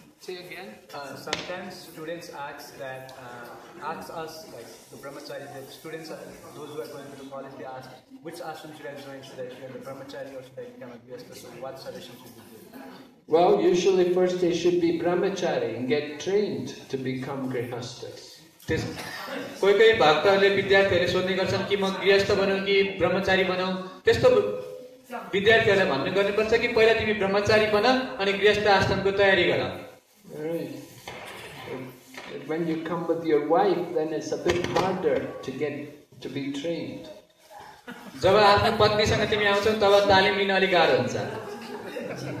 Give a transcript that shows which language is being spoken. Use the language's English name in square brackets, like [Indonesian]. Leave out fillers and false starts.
[English] Say again. Sometimes students ask us like the brahmachari. The students, those who are going to the college, they ask which ashram should I join? Should I join the brahmachari or should I become a gyastha? So what suggestion should we do? Well, usually first they should be brahmachari and get trained to become grihasthas. [Nepali] कोही कोही भक्तहरूले विद्यार्थीहरूले सोध्ने गर्छन् कि म गृहस्थ बनाऊ कि ब्रह्मचारी बनाऊ त्यस्तो विद्यार्थीहरूलाई भन्ने गर्नुपर्छ कि पहिला तिमी ब्रह्मचारी बन अनि गृहस्थ आश्रमको तयारी गर [English] When you come with your wife, then it's a bit harder to get to be trained. [Nepali] जब आफ्नो पत्नीसँग तिमी आउँछौ तब तालिम लिन अलिक गाह्रो हुन्छ